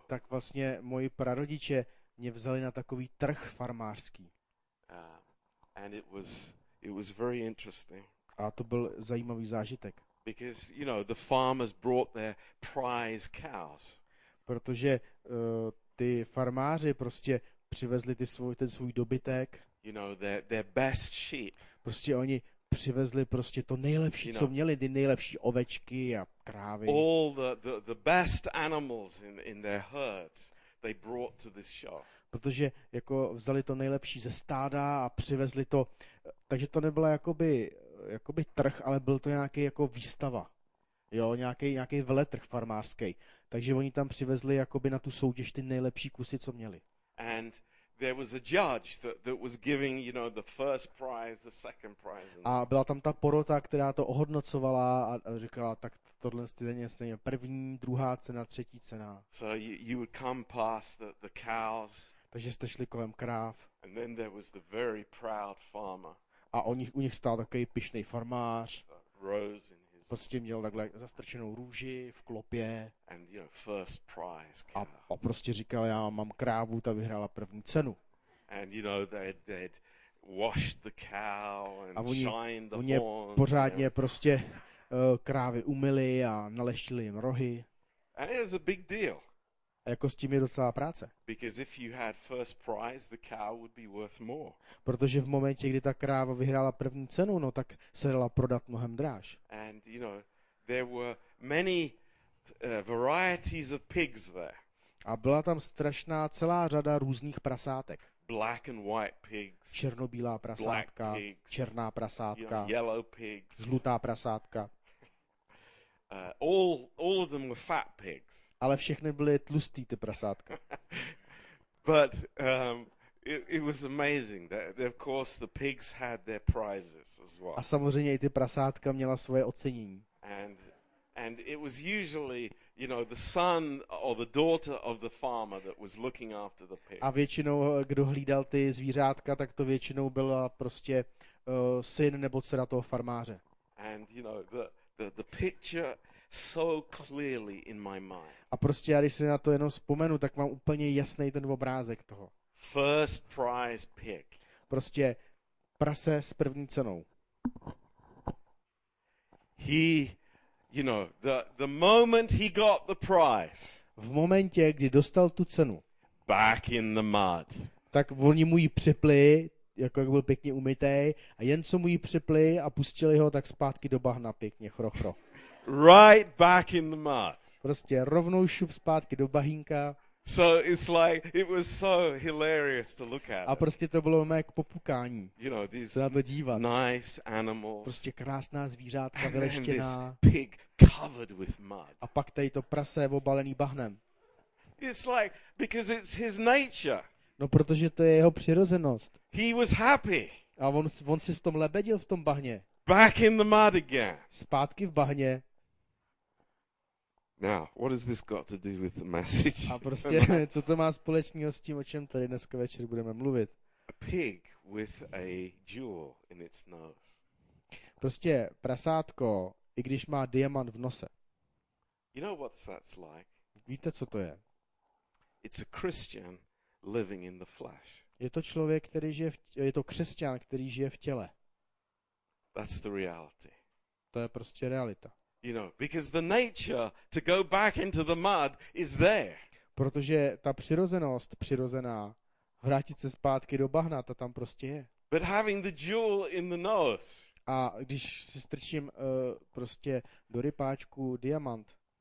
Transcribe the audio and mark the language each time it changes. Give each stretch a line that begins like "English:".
Czech: Tak vlastně moji prarodiče mě vzali na takový trh farmářský.
English: And it was very interesting.
Czech: A to byl zajímavý zážitek.
English: Because, you know, the farmers brought their prize cows.
Czech: Protože ty farmáři prostě přivezli ten svůj dobytek.
English: You know, their best sheep.
Czech: Prostě oni přivezli prostě to nejlepší,
English: you know,
Czech: co měli, ty nejlepší ovečky a krávy.
English: All the best animals in their herds they brought to this show.
Czech: Protože jako vzali to nejlepší ze stáda a přivezli to, takže to nebyla jakoby trh, ale byl to nějaký jako výstava. Jo, nějaký veletrh farmářský. Takže oni tam přivezli jakoby na tu soutěž ty nejlepší kusy, co měli.
English: And there was a judge that was giving, you know, the first prize, the second prize.
Czech: A byla tam ta porota, která to ohodnocovala a říkala, tak tohle stejně je první, druhá cena, třetí cena.
English: So you would come past the cows.
Czech: Takže jste šli kolem kráv.
English: And then there was the very proud farmer.
Czech: A u nich stál takový pyšný farmář.
English: Rose in his...
Czech: Prostě měl takhle zastrčenou růži v klopě.
English: And, you know, first prize cow.
Czech: A prostě říkal, já mám krávu, ta vyhrála první cenu.
English: And, you know, they'd washed the cow and
Czech: a oni
English: shined the horns.
Czech: Pořádně prostě krávy umyli a naleštili jim rohy.
English: And it was a big deal.
Czech: Jako s tím je docela práce.
English: Because if you had first prize, the cow would be worth more.
Czech: Protože v momentě, kdy ta kráva vyhrála první cenu, no tak se dala prodat mnohem dráž.
English: And, you know, there were many varieties of pigs there.
Czech: A byla tam strašná celá řada různých prasátek.
English: Black and white pigs.
Czech: Černobílá prasátka, černá prasátka,
English: yellow pigs.
Czech: Žlutá prasátka.
English: All of them were fat pigs.
Czech: Ale všechny byly tlustý ty prasátka.
English: But it was amazing that of course the pigs had their prizes as well.
Czech: A samozřejmě i ty prasátka měla svoje ocenění.
English: And it was usually, you know, the son or the daughter of the farmer that was looking after the pig.
Czech: A většinou, kdo hlídal ty zvířátka, tak to většinou byla prostě syn nebo dcera toho farmáře.
English: And you know, the picture so clearly in my mind.
Czech: A prostě já, když si na to jenom vzpomenu, tak mám úplně jasný ten obrázek toho.
English: First prize pig.
Czech: Prostě prase s první cenou.
English: He, you know, the moment he got the prize.
Czech: V momentě, kdy dostal tu cenu.
English: Back in the mud.
Czech: Tak oni mu ji připli, jako jak byl pěkně umytej, a jen co mu ji připli a pustili ho, tak zpátky do bahna pěkně, chro.
English: Right back in the mud.
Czech: Prostě rovnou šup zpátky do bahínka.
English: So it's like it was so hilarious to look at.
Czech: A prostě to bylo mé k popukání.
English: You know, these
Czech: se na to dívat.
English: Nice animals.
Czech: Prostě krásná zvířátka vyleštěná.
English: Pig covered with mud.
Czech: A pak tady to prase obalený bahnem.
English: It's like because it's his nature.
Czech: No protože to je jeho přirozenost.
English: He was happy.
Czech: A on si v tom lebedil v tom bahně.
English: Back in the mud again.
Czech: Zpátky v bahně.
English: Now, what has this got to do with the message?
Czech: A prostě, co to má společného s tím, o čem tady dneska večer budeme mluvit?
English: A pig with a jewel in its nose.
Czech: Prostě prasátko, i když má diamant v nose.
English: You know what that's like?
Czech: Víte, co to je?
English: It's a Christian living in the flesh.
Czech: Je to člověk, který žije, je to křesťan, který žije v těle.
English: That's the reality.
Czech: To je prostě realita.
English: You know, because the nature to go back into the mud is there.
Czech: Protože ta přirozenost, přirozená vrátit se zpátky do bahna, ta tam prostě je.
English: But having the jewel in the nose.
Czech: A když si strčím prostě do rypáčku diamant.